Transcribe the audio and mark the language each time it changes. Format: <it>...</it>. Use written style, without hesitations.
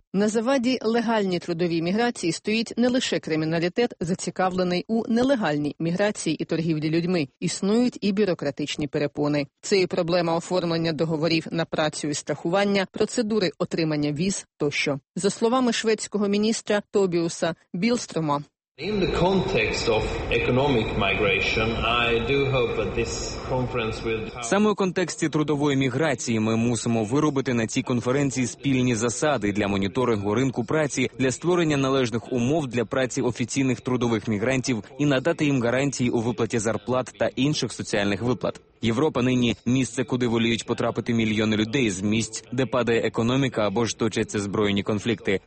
<uk>На заваді легальній трудовій міграції стоїть не лише криміналітет, зацікавлений у нелегальній міграції і торгівлі людьми. Існують і бюрократичні перепони. Це і проблема оформлення договорів на працю і страхування, процедури отримання віз тощо. За словами шведського міністра Тобіуса Білстрома,</uk> <en>in the context of economic migration, I do hope that this conference will...</en> <uk>Саме у контексті трудової міграції ми мусимо виробити на цій конференції спільні засади для моніторингу ринку праці, для створення належних умов для праці офіційних трудових мігрантів і надати їм гарантії у виплаті зарплат та інших соціальних виплат. Європа нині – місце, куди воліють потрапити мільйони людей з місць, де падає економіка або ж точаться збройні конфлікти.</uk>